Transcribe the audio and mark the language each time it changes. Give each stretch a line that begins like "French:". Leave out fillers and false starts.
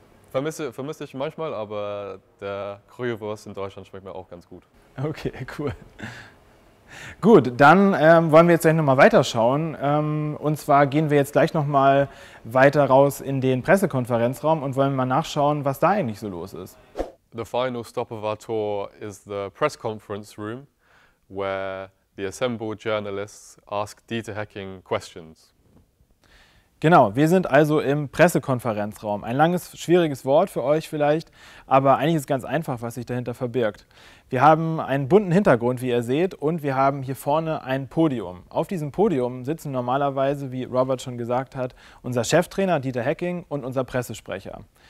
German: Vermisse ich manchmal, aber der Currywurst in Deutschland schmeckt mir auch ganz gut. Okay, cool. Gut, dann wollen wir jetzt gleich nochmal weiterschauen. Und zwar gehen wir jetzt gleich nochmal weiter raus in den Pressekonferenzraum und wollen mal nachschauen, was da eigentlich so los ist.
English: The final stop of our tour is the press conference room, where the assembled journalists ask Dieter Hecking questions.
German: Genau, wir sind also im Pressekonferenzraum. Ein langes, schwieriges Wort für euch vielleicht, aber eigentlich ist es ganz einfach, was sich dahinter verbirgt. Wir haben einen bunten Hintergrund, wie ihr seht, und wir haben hier vorne ein Podium. Auf diesem Podium sitzen normalerweise, wie Robert schon gesagt hat, unser Cheftrainer Dieter Hecking und unser Pressesprecher.